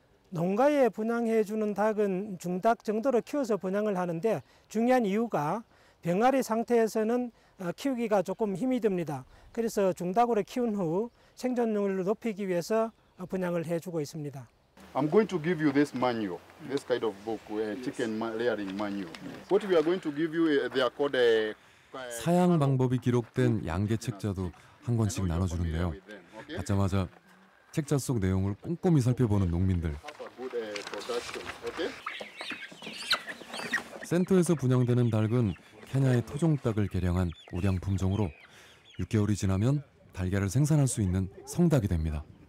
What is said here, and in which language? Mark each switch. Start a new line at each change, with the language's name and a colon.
Korean: 농가에 분양해 주는 닭은 중닭 정도로 키워서 분양을 하는데 중요한 이유가 병아리 상태에서는 키우기가 조금 힘이 듭니다. 그래서 중닭으로 키운 후 생존율을 높이기 위해서 분양을 해주고 있습니다.
English: I'm going to give you this manual, this kind of book, chicken layering manual. What we are going to give you, they are called a
Korean: 사양 방법이 기록된 양계 책자도 한 권씩 나눠주는데요. 받자마자 책자 속 내용을 꼼꼼히 살펴보는 농민들. 센터에서 분양되는 닭은 케냐의 토종 닭을 개량한 우량 품종으로 6개월이 지나면 달걀을 생산할 수 있는 성닭이 됩니다.